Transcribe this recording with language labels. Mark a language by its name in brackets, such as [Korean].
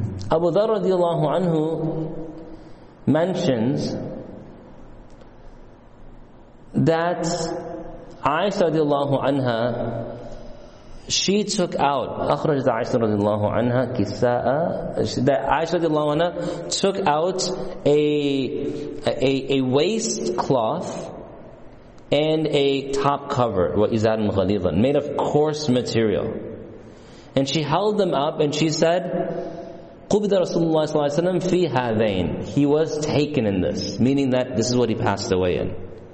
[English] Abu Dharr radiallahu anhu mentions that Aisha radiallahu anha, she took out, [Arabic] أخرجت عائشة رضي الله عنها كساء, [English] عائشة رضي الله عنها took out a waist cloth and a top cover, [Arabic] وإزار غليظا, [English] made of coarse material. And she held them up and she said, [Arabic] قُبِدَ رَسُولُ اللَّهِ صَلَّى اللَّهِ عَلَيْهِ وَسَلَّمَ فِي هَذَيْنِ. [English] He was taken in this, meaning that this is what he passed away in.